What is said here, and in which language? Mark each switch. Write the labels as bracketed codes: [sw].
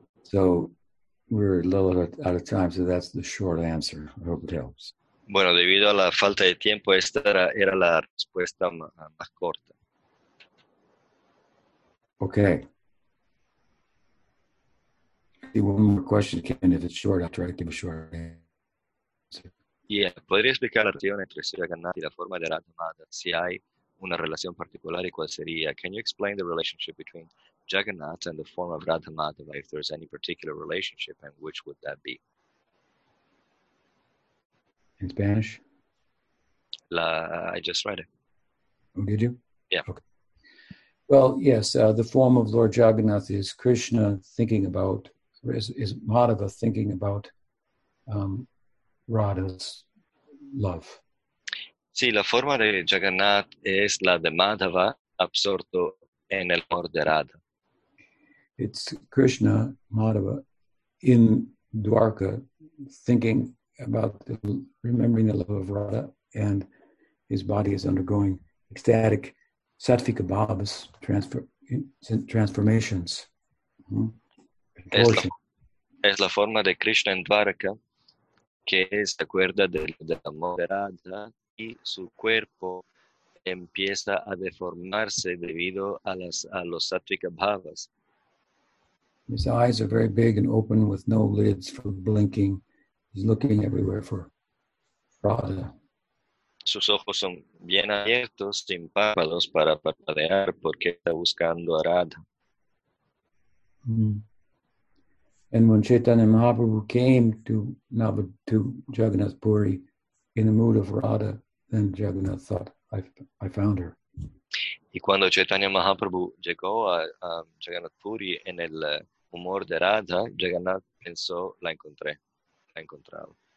[en] So, we're a little out of time, so that's the short answer. I hope it helps. [es] Bueno, debido a la falta de tiempo, esta era la respuesta más corta. [en] Okay. See, one more question, Ken, if it's short, I'll try to give a short answer. [es] Yeah, ¿podría explicar la relación entre Sri Raghunath y la forma de Radhamada? Si hay una relación particular, ¿y cuál sería? [en] Can you explain the relationship between Jagannath and the form of Radha Madhava, if there's any particular relationship, and which would that be? In Spanish? I just read it. Oh, did you? Yeah. Okay. Well, yes, the form of Lord Jagannath is Krishna thinking about, is Madhava thinking about Radha's love. [es] Sí, la forma de Jagannath es la de Madhava absorto en el amor de Radha. [en] It's Krishna, Madhava, in Dwarka, thinking about the, remembering the love of Radha, and his body is undergoing ecstatic sattvika bhavas, transformations. [es] Es la forma de Krishna en Dwarka, que se acuerda del amor de Radha, y su cuerpo empieza a deformarse debido a los sattvika bhavas. [en] His eyes are very big and open with no lids for blinking. He's looking everywhere for Radha. [es] Sus ojos son bien abiertos, sin párpados, para parpadear, porque está buscando a Radha. Mm. [en] And when Chaitanya Mahaprabhu came to Jagannath Puri in the mood of Radha, then Jagannath thought, I found her. [es] Y cuando Chaitanya Mahaprabhu llegó a Jagannath Puri en el humor de Radha, Jagannath pensó, la encontré, la encontrado.